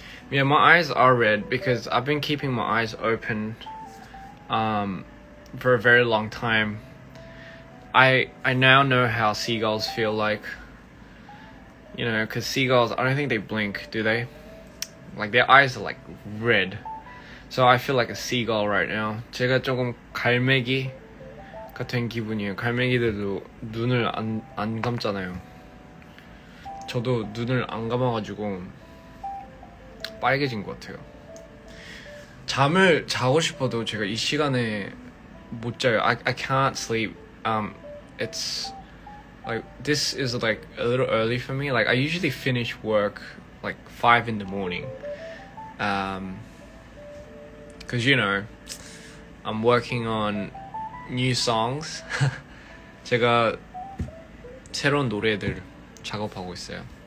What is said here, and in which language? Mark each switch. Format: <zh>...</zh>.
<en>Yeah, my eyes are red because I've been keeping my eyes open for a very long time, I now know how seagulls feel like, you know, because seagulls, I don't think they blink, do they? Like, their eyes are like red. So I feel like a seagull right now.</en> <ko>제가 조금 갈매기 같은 기분이에요. 갈매기들도 눈을 안 감잖아요. 저도 눈을 안 감아가지고 빨개진 것 같아요. 잠을 자고 싶어도 제가 이 시간에 못 자요.</ko> <en>I can't sleep. It's like this is like a little early for me. Like I usually finish work like 5 in the morning. Because you know, I'm working on new songs.</en> <ko>제가 새로운 노래들 작업하고 있어요.</ko>